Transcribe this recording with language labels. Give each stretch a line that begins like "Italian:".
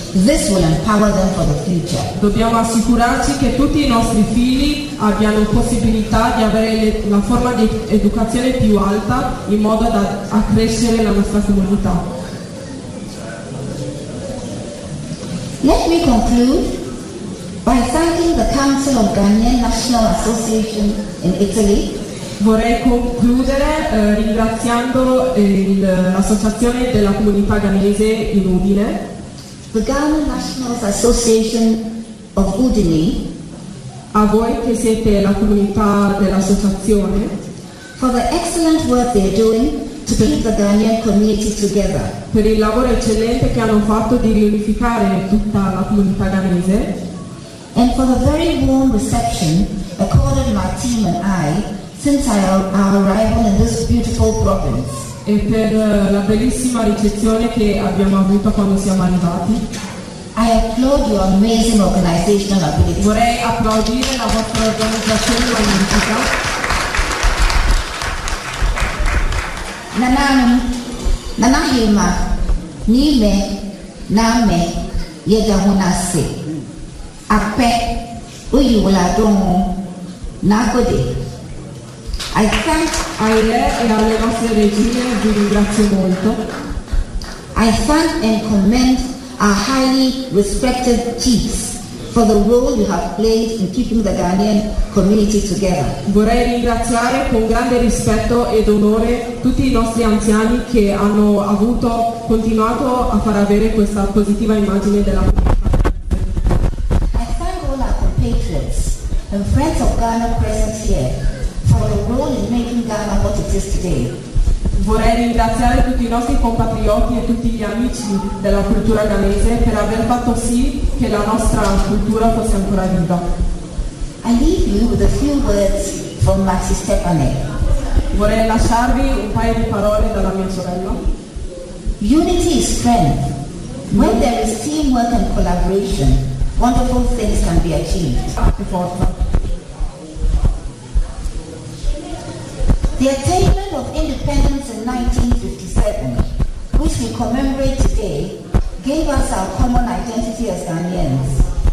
English: This will empower them for the future.
Italian: Dobbiamo assicurarci che tutti i nostri figli abbiano possibilità di avere la forma di educazione più alta in modo da accrescere la nostra comunità.
English: Let me conclude by thanking the Council of Ghanaian National Association in Italy.
Italian: Vorrei concludere ringraziando l'Associazione della Comunità Ghanese in Udine.
English: The Ghana National Association of Udine.
Italian: A voi che siete la comunità dell'associazione.
English: For the excellent work they are doing to keep the Ghanaian community together.
Italian: Per il lavoro eccellente che hanno fatto di riunificare tutta la comunità ghanese.
English: And for the very warm reception accorded my team and I since our arrival in this beautiful province.
Italian: E per la bellissima ricezione che abbiamo avuto quando siamo arrivati.
English: I applaud your amazing organizational ability.
Italian: Vorrei applaudire la vostra organizzazione magnifica. Nanahima, Nime, Name, Yedahunase, Ape, Uyuladong, Nagode.
English: I thank
Italian: Aire e alle nostre regine, vi ringrazio molto.
English: I thank and commend our highly respected chiefs for the role you have played in keeping the Ghanaian community together.
Italian: Vorrei ringraziare con grande rispetto ed onore tutti i nostri anziani che hanno avuto, continuato a far avere questa positiva immagine della comunità.
English: I thank all our compatriots and friends of Ghana present here for the role in making Ghana what it is today.
Italian: Vorrei ringraziare tutti i nostri compatrioti e tutti gli amici della cultura ghanese per aver fatto sì che la nostra cultura fosse ancora viva.
English: I leave you with a few words from my sister Anne.
Italian: Vorrei lasciarvi un paio di parole dalla mia sorella.
English: Unity is strength, When there is teamwork and collaboration, wonderful things can be achieved. The attainment of independence in 1957, which we commemorate today, gave us our common identity as Ghanaians.